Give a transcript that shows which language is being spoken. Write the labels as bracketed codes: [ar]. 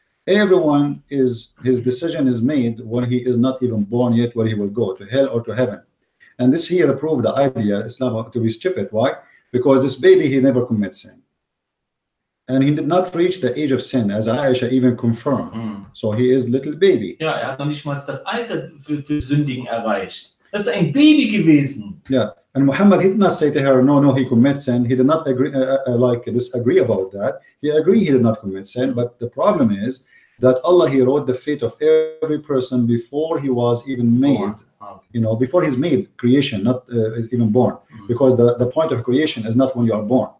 [en] Everyone is his decision is made when he is not even born yet, where he will go to hell or to heaven. And this here approved the idea is not to be stupid. Why? Because this baby, he never commits sin. And he did not reach the age of sin, as Aisha even confirmed. Mm. So he is little baby. [de] Ja, er hat noch nicht mal das Alter für Sündigen erreicht. Das ist ein Baby gewesen. [en] Yeah. And Muhammad, he did not say to her, no, no, he commits sin. He did not agree, disagree about that. He agreed he did not commit sin. But the problem is that Allah, he wrote the fate of every person before he was even made. Okay. You know, before he's made creation, not even born. Mm-hmm. Because the point of creation is not when you are born.